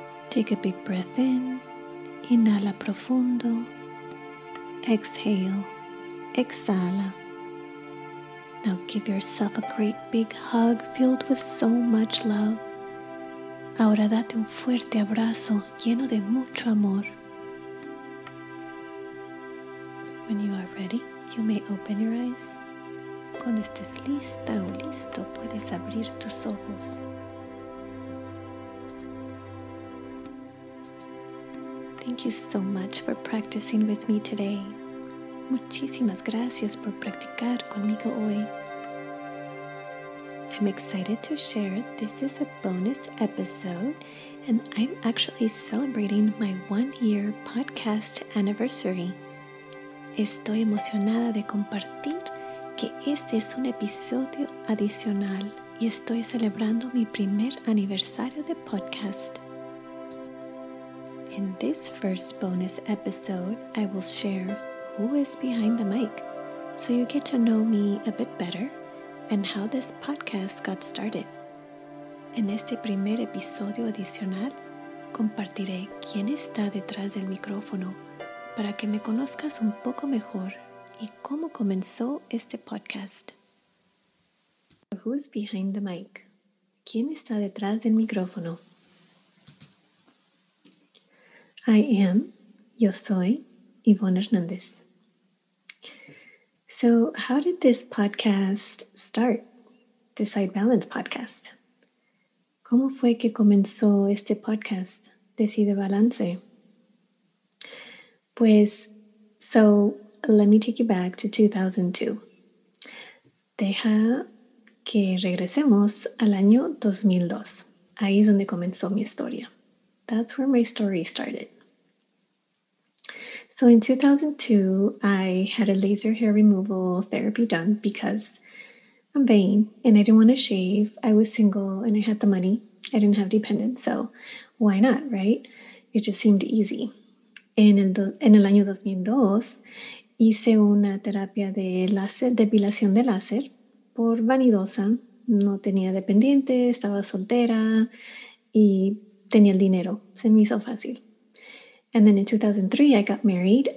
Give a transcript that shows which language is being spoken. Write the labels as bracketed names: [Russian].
[English] Take a big breath in. [Spanish] Inhala profundo. [English] Exhale. [Spanish] Exhala. [English] Now give yourself a great big hug filled with so much love. [Spanish] Ahora date un fuerte abrazo lleno de mucho amor. [English] When you are ready, you may open your eyes. [Spanish] Cuando estés lista o listo, puedes abrir tus ojos. [English] Thank you so much for practicing with me today. [Spanish] Muchísimas gracias por practicar conmigo hoy. [English] I'm excited to share this is a bonus episode, and I'm actually celebrating my 1 year podcast anniversary. [Spanish] Estoy emocionada de compartir que este es un episodio adicional y estoy celebrando mi primer aniversario de podcast. [English] In this first bonus episode, I will share who is behind the mic so you get to know me a bit better and how this podcast got started. [Spanish] En este primer episodio adicional, compartiré quién está detrás del micrófono para que me conozcas un poco mejor y cómo comenzó este podcast. [English] Who's behind the mic? [Spanish] ¿Quién está detrás del micrófono? [English] I am, [Spanish] yo soy, [English] Ivonne Hernández. So how did this podcast start, the Side Balance podcast? [Spanish] ¿Cómo fue que comenzó este podcast, Decide Balance? [English] Pues, so let me take you back to 2002. [Spanish] Deja que regresemos al año 2002. Ahí es donde comenzó mi historia. [English] That's where my story started. So in 2002, I had a laser hair removal therapy done because I'm vain and I didn't want to shave. I was single and I had the money. I didn't have dependents, so why not, right? It just seemed easy. [Spanish] En el año 2002, hice una terapia de láser, depilación de láser, por vanidosa. No tenía dependiente, estaba soltera y tenía el dinero. Se me hizo fácil. [English] And then in 2003, I got married.